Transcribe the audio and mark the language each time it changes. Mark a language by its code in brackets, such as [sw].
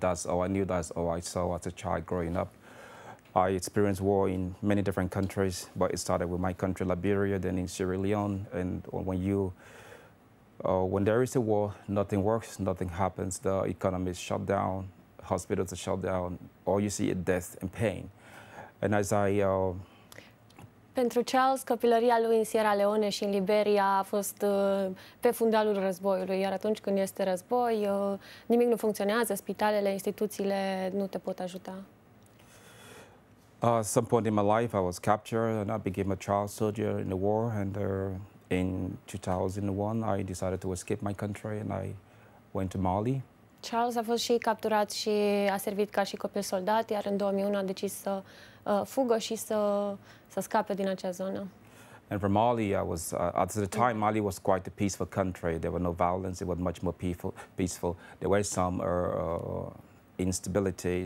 [en] That's all I knew, that's all I saw as a child growing up. I experienced war in many different countries, but it started with my country, Liberia, then in Sierra Leone. And when there is a war, nothing works, nothing happens. The economy is shut down, hospitals are shut down. All you see is death and pain. And as I... [ro] Pentru Charles, copilăria lui în Sierra Leone și în Liberia a fost pe fundalul războiului, iar atunci când este război, nimic nu funcționează, spitalele, instituțiile nu te pot ajuta. [en] At some point in my life I was captured and I became a child soldier in the war, and in 2001 I decided to escape my country and I went to Mali. [ro] Charles a fost și capturat și a servit ca și copil soldat, iar în 2001 a decis să fugă și să scape din acea zonă. [en] And from Mali, I was at the time Mali was quite a peaceful country. There were no violence. It was much more peaceful. There were some instabilities.